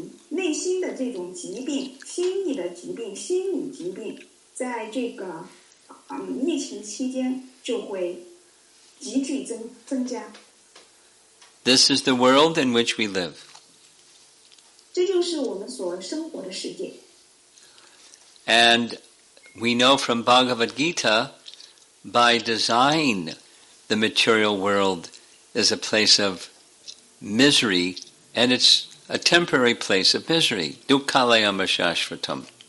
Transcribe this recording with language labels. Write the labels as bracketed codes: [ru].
[zh] 内心的这种疾病，心理的疾病，心理疾病，在这个疫情期间就会急剧增加。 [en] This is the world in which we live. [zh] 这就是我们所生活的世界。 [en] And we know from Bhagavad Gita, by design, the material world is a place of misery, and it's a temporary place of misery. [sa] Dukkhalayama shashvatam.